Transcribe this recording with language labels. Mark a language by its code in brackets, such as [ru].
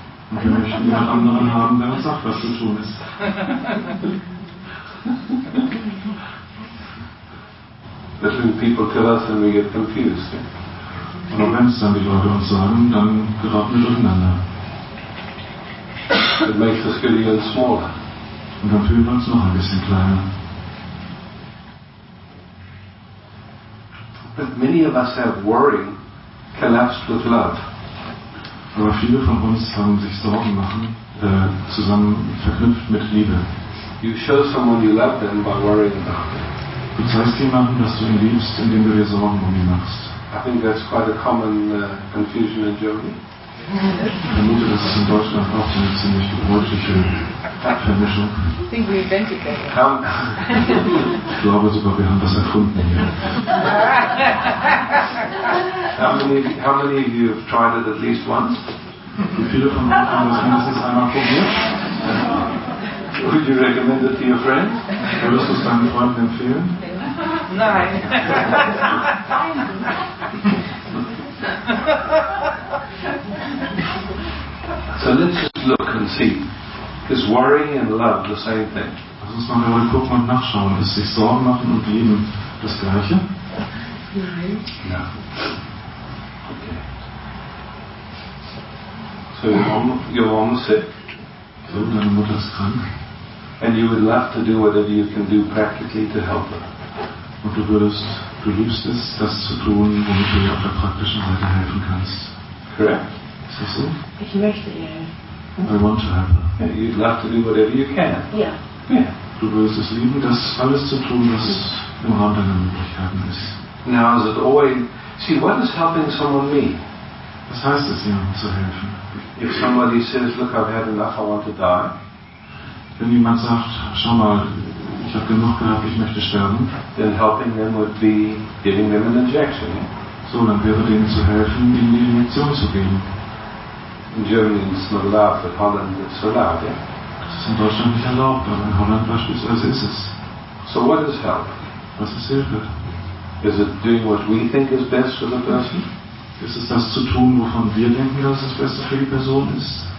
[de] Und wir möchten jemand anderen haben, der uns sagt, was zu tun ist. [en] That's when people tell us and we get confused. [de] Und wenn es dann die Leute uns sagen, dann geraten wir durcheinander. [en] It makes us feel even smaller. [de] Und dann fühlen wir uns noch ein bisschen kleiner. [en] But many of us have worrying collapsed with love. [de] Aber viele von uns haben sich Sorgen machen, zusammen verknüpft mit Liebe. [en] You show someone you love them by worrying about them. [de] Du zeigst jemandem, dass du ihn liebst, indem du dir Sorgen um ihn machst. [en] I think that's quite a common confusion in Germany. [de] Ich vermute, dass es in Deutschland auch so eine ziemlich gebräuchliche Vermischung [en] I think we invented that. [de] Ich glaube sogar, wir haben das erfunden hier. [en] How many of you have tried it at least once? [de] Wie viele von euch haben das mindestens einmal probiert? [en] Would you recommend it to your friend? [de] Würdest du es deinen Freunden empfehlen? Nein. [en] So let's just look and see. Is worrying and love the same thing? [de] Lass uns mal gucken und nachschauen. Ist sich Sorgen machen und lieben das Gleiche? Nein. Ja. Okay. [en] So your mom is sick. [de] So, deine Mutter ist krank. [en] And you would love to do whatever you can do practically to help her. [de] Und du würdest du liebst es, das zu tun, womit du dir auf der praktischen Seite helfen kannst. [en] Correct. [de] Ist das so? Ich möchte dir helfen. [en] I want to help. Yeah, you'd love to do whatever you can. Yeah. Yeah. [de] Du würdest es lieben, das alles zu tun, was im Rahmen deiner Möglichkeiten ist. [en] Now is it always... See, what does helping someone mean? [de] Was heißt es, jemandem zu helfen? [en] If somebody says, look, I've had enough, I want to die. [de] Wenn jemand sagt, schau mal, ich habe genug gehabt, ich möchte sterben. [en] Then helping them would be giving them an injection. [de] So, dann wäre denen zu helfen, ihnen die Injektion zu geben. [en] In Germany it's not allowed, but Holland it's allowed, yeah? [de] Das ist in Deutschland nicht erlaubt, aber in Holland beispielsweise ist es. [en] So what is help? [de] Was ist Hilfe? [en] Is it doing what we think is best for the person? [de] Ist es das zu tun, wovon wir denken, dass das Beste für die Person ist?